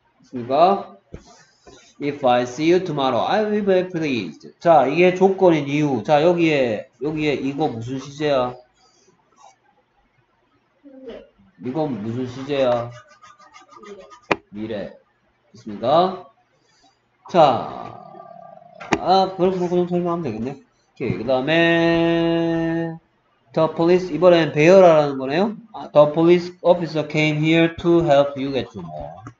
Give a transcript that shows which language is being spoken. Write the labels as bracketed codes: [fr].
[ko] 그러니까 [en] If I see you tomorrow, I will be pleased. [ko] 자, 이게 조건인 이유. 자, 여기에 이거 무슨 시제야? 이건 무슨 시제야? 미래. 됐습니까? 자, 아, 그럼 설명하면 되겠네. 오케이, 그 다음에 [en] The police, [ko] 이번엔 배열하라는 거네요. [en] 아, The police officer came here to help you get to more.